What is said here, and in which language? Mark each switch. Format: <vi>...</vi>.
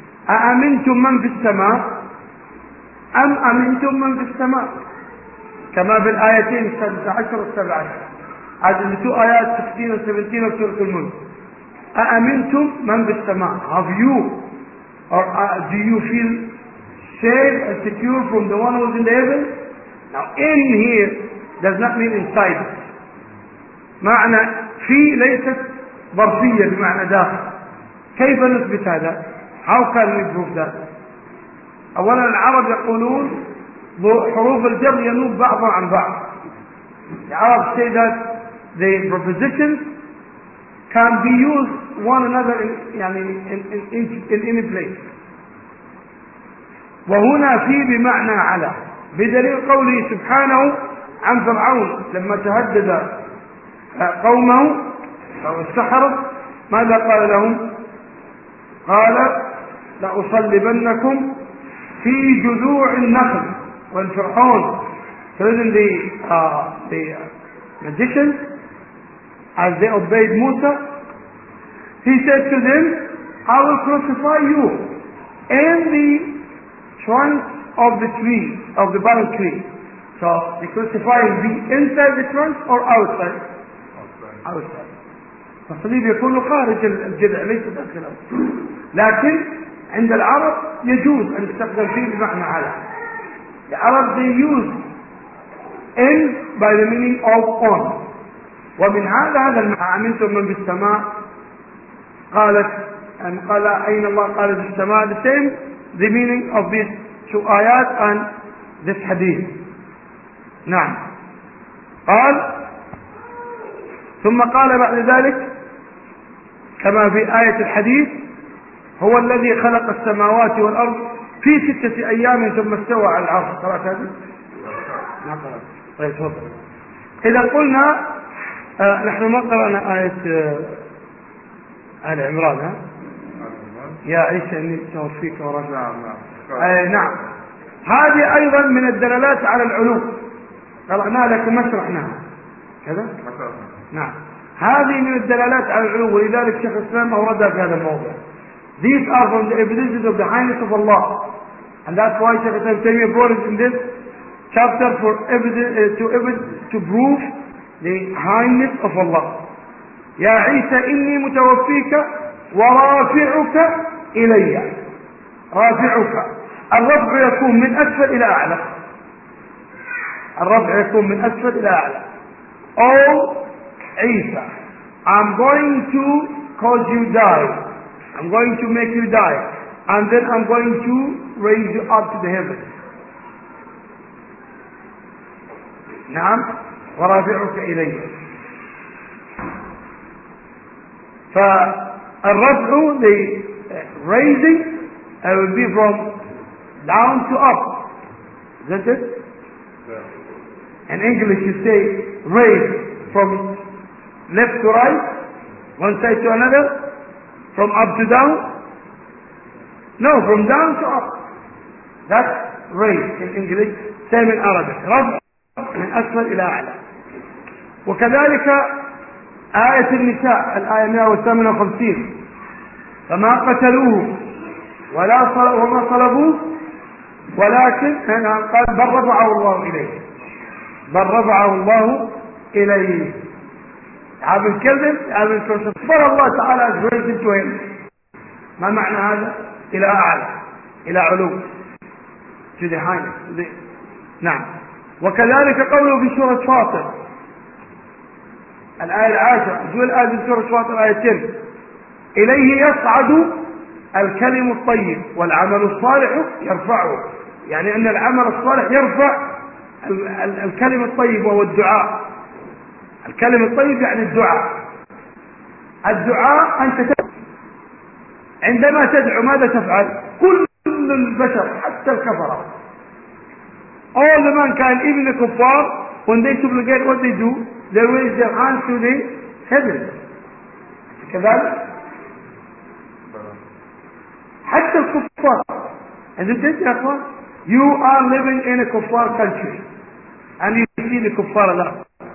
<ar>أأمنتم من في السماء أم أمنتم من في السماء؟ كما في الآيتين 16 و 17. هذه الآيات 16 و 17 في سورة الملك. أأمنتم من في السماء؟</ar> <en>Have you or do you feel safe and secure from the one who is in the heaven? Now in here does not mean inside.</en> <ar>معنى في ليست ظرفية بمعنى داخل. كيف نثبت هذا؟</ar> <en>How can we prove that?</en> <ar>أولا العرب يقولون حروف الجر ينوب بعضا عن بعض.</ar> <en>The Arabs say that the prepositions can be used one another in any place.</en> <ar>وهنا في بمعنى على, بدليل قوله سبحانه عن فرعون لما تهدد قومه أو السحرة ماذا قال لهم؟ قال لأصلبنكم في جذوع النخل.</ar> <en>When فرعون threatened the magicians as they obeyed Musa, he said to them, I will crucify you in the trunk of the tree, of the barren tree. So the crucifying be inside the trunk or outside? Outside.</en> <ar>فالصليب يكون خارج الجذع ليس داخله, لكن عند العرب يجوز أن يستخدم فيه بمعنى على.</ar> <en>The Arabs they use in by the meaning of on.</en> <ar>ومن هذا المعنى أمنتم من بالسماء قالت أن قال أين الله قال في السماء,</ar> <en>the same the meaning of these two</en> <ar>آيات</ar> <en>and this hadith.</en> <ar>نعم قال ثم قال بعد ذلك كما في آية الحديث هو الذي خلق السماوات والأرض في ستة أيام ثم استوى على العرش. قرأت هذه؟ لا قرأت. طيب تفضل. إذا قلنا نحن ما قرأنا آية آل عمران, ها؟ يا عيسى إني توفيك ورجع. نعم. هذه أيضا من الدلالات على العلو. طلعنا لكن ما شرحناها. كذا؟ ما شرحنا. نعم. هذه من الدلالات على العلو ولذلك شيخ الإسلام أوردها في هذا الموضوع.</ar> <en>These are from the evidences of the highness of Allah. And that's why Shaykh Ibn Taymiyyah brought it in this chapter for evidence, to prove the highness of Allah.</en> <ar>يا عيسى إني متوفيك ورافعك إلي. رافعك. الرفع يكون من أسفل إلى أعلى. الرفع يكون من أسفل إلى أعلى.</ar> <en>Oh, عيسى, I'm going to cause you die. I'm going to make you die. And then I'm going to raise you up to the heavens.</en> <ar>نعم ورافعك إلي.</ar> <en>فالرفع, the raising, will be from down to up. Isn't it? In English you say raise from left to right, one side to another. From up to down? No, from down to up. That's raise in English. Same in Arabic.</en> <ar>رفع من أسفل إلى أعلى. وكذلك آية النساء الآية 158. فما قتلوه ولا صلبوه وما صلبوه ولكن قال بل رفعه الله إليه. بل رفعه الله إليه.</ar> <en>Having killed him, having crucified him, Allah Ta'ala has raised him to him.</en> <ar>ما معنى هذا؟ إلى أعلى, إلى علو.</ar> <en>To the highest.</en> <ar>نعم. وكذلك قوله في سورة فاطر. الآية العاشرة. ذو الآية في سورة فاطر آية 10. إليه يصعد الكلم الطيب والعمل الصالح يرفعه. يعني أن العمل الصالح يرفع الكلم الطيب وهو الدعاء. الكلم الطيب يعني الدعاء. الدعاء أنت عندما تدعو ماذا تفعل؟ كل البشر حتى الكفرة.</ar> <en>All the man can, even the kuffar, when they supplicate, what they do? They raise their hands to the heaven.</en> <ar>كذلك. حتى الكفار.</ar> <en>And this is it, you are living in a kuffar country, and you see the kuffar Allah.</en>